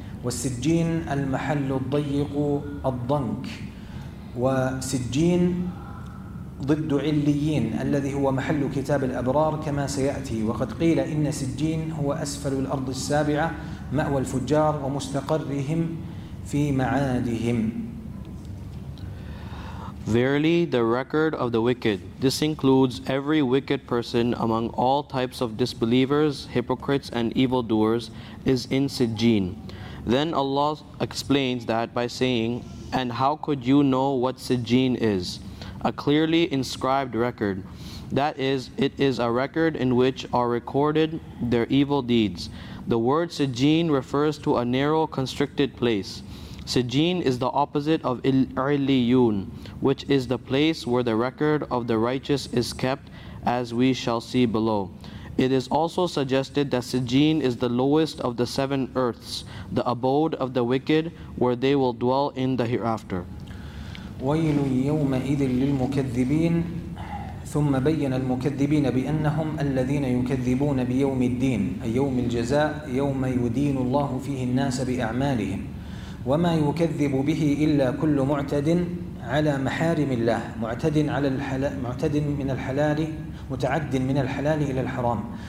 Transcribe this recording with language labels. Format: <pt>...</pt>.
<ar>والسجين المحل الضيق الضنك, وسجين ضد عليين الذي هو محل كتاب الأبرار كما سيأتي. وقد قيل إن سجين هو أسفل الأرض السابعة مأوى الفجار ومستقرهم في معادهم.</ar> <en>Verily, the record of the wicked, this includes every wicked person among all types of disbelievers, hypocrites and evildoers, is in Sijjin. Then Allah explains that by saying, and how could you know what Sijjin is? A clearly inscribed record. That is, it is a record in which are recorded their evil deeds. The word Sijjin refers to a narrow, constricted place. Sijjin is the opposite of Illiyun, which is the place where the record of the righteous is kept, as we shall see below. It is also suggested that Sijjin is the lowest of the seven earths, the abode of the wicked, where they will dwell in the hereafter.</en> <ar>ويل يومئذ للمكذبين ثم بين المكذبين بأنهم الذين يكذبون بيوم الدين أي يوم الجزاء, يوم يدين الله فيه الناس بأعمالهم. وما يكذب به إلا كل معتد على محارم الله, معتد على الحلال, معتد من الحلال, متعد من الحلال إلى الحرام.</ar>